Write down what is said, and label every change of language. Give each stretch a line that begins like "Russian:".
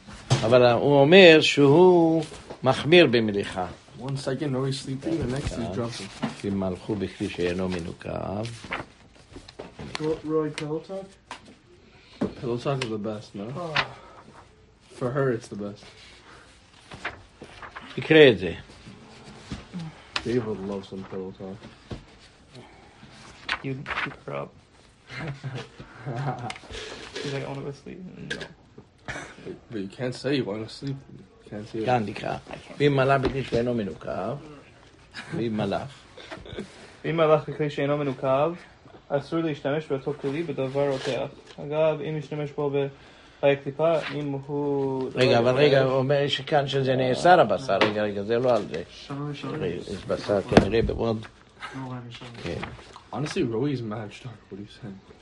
Hebrew: אבל הוא אומר שהוא מחמיר במליחה.
English: One second, no, he's sleeping, the next he's dropping.
Hebrew: אם מלכו בכלי שאינו מנוקב. רואי, פלוטוק?
English: פלוטוק is the best, no? For her, it's the best.
Hebrew: תקרא את זה.
English: David loves some פלוטוק. You keep her up. He's like, I want to go sleep. No. But you can't say you want to sleep.
Hebrew: כאן נקרא, ואם מלך בכלי שאינו מנוקב, ואם מלך. ואם מלך בכלי שאינו מנוקב, אסור להשתמש באותו כלי בדבר רותח. אגב, אם ישתמש בו בחיי קליפה, אם הוא... רגע, אבל רגע, הוא אומר שכאן שזה נאסר הבשר, רגע, רגע, זה לא על זה. יש בשר כנראה בעוד.
English: Honestly, Roy is mad, what are you saying?